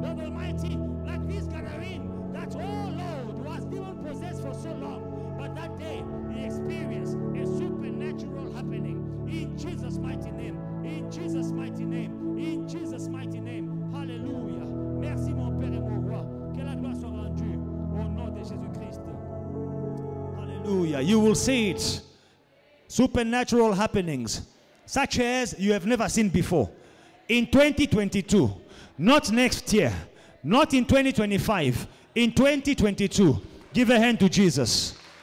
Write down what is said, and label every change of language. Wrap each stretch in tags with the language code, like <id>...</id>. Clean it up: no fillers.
<en>Lord Almighty, like this Gadarene, that all Lord was demon possessed for so long, but that day he experienced a supernatural happening in Jesus' mighty name, in Jesus' mighty name, in Jesus' mighty name.</en> <fr>Hallelujah. Merci, mon Père et mon Roi. Que la gloire soit rendue au nom de Jésus-Christ.</fr> <en>Hallelujah. You will see it. Supernatural happenings, such as you have never seen before. In 2022, not next year, not in 2025, in 2022, give a hand to Jesus.</en>